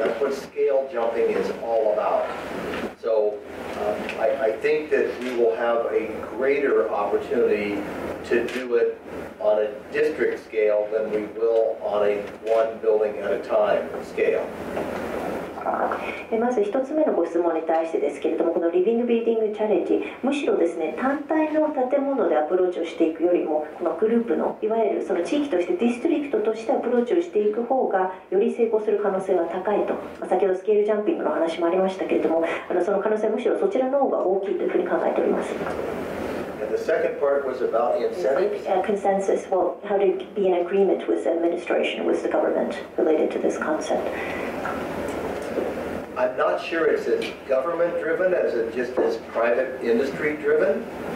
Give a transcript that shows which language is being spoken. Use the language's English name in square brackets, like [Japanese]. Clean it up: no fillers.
[English] That's what scale jumping is all about. So I think that we will have a greater opportunity to do it on a district scale than we will on a one building at a time scale. [Japanese] まず一つ目のご質問に対してですけれども、このリビングビルディングチャレンジ、むしろですね、単体の建物でアプローチをしていくよりも、このグループのいわゆるその地域としてディストリクトとしてアプローチをしていく方がより成功する可能性が高いと、先ほどスケールジャンピングの話もありましたけれども、その可能性はむしろそちらの方が大きいというふうに考えております。 [English] The second part was about the incentives? Yeah, consensus. Well, how to be in agreement with the administration, with the government, related to this concept. I'm not sure it's as government-driven as it just as private industry-driven.